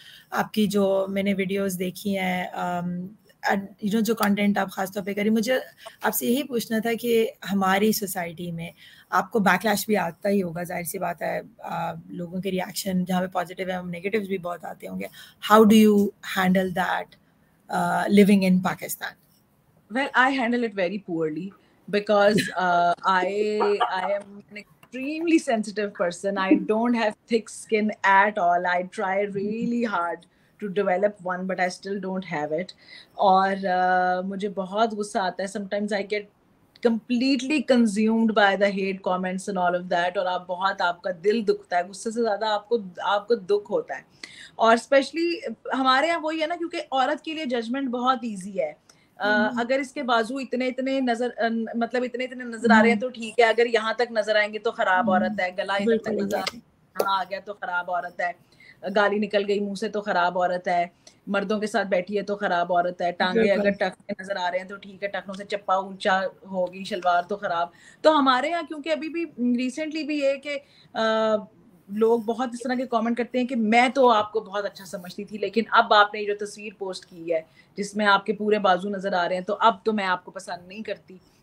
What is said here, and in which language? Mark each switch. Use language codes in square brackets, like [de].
[ur] آپ کی جو میں نے ویڈیوز دیکھی ہیں, جو کانٹینٹ آپ خاص طور پہ کریں, مجھے آپ سے یہی پوچھنا تھا کہ ہماری سوسائٹی میں آپ کو بیک لیش بھی آتا ہی ہوگا, ظاہر سی بات ہے لوگوں کے ریئیکشن جہاں پہ پازیٹیو ہیں نیگیٹیوز بھی بہت آتے ہوں گے, [en] How do you handle that living in Pakistan? Well I handle it very poorly because I am an extremely sensitive person, I don't have thick skin at all, I try really hard to develop one but I still don't have it, [ur] aur mujhe bahut gussa aata hai, [en] sometimes I get completely consumed by the hate comments and all of that, [ur] aur aap bahut aapka dil dukhta hai, gusse se zyada aapko dukh hota hai, aur specially hamare yahan wohi hai na, kyunki aurat ke liye judgment bahut easy hai, agar iske baazu itne itne nazar matlab itne itne nazar aa rahe hain to theek hai, agar yahan tak nazar aayenge to kharab aurat hai, gala itna tak nazar aa gaya to kharab aurat hai, گالی نکل گئی منہ سے تو خراب عورت ہے, مردوں کے ساتھ بیٹھی ہے تو خراب عورت ہے, ٹانگے اگر ٹخنے نظر آ رہے ہیں تو ٹھیک ہے, ٹخنوں سے چپا اونچا ہوگی شلوار تو خراب. تو ہمارے یہاں کیونکہ ابھی بھی ریسنٹلی بھی یہ کہ لوگ بہت اس طرح کے کامنٹ کرتے ہیں کہ میں تو آپ کو بہت اچھا سمجھتی تھی لیکن اب آپ نے جو تصویر پوسٹ کی ہے جس میں آپ کے پورے بازو نظر آ رہے ہیں تو اب تو میں آپ کو پسند نہیں کرتی.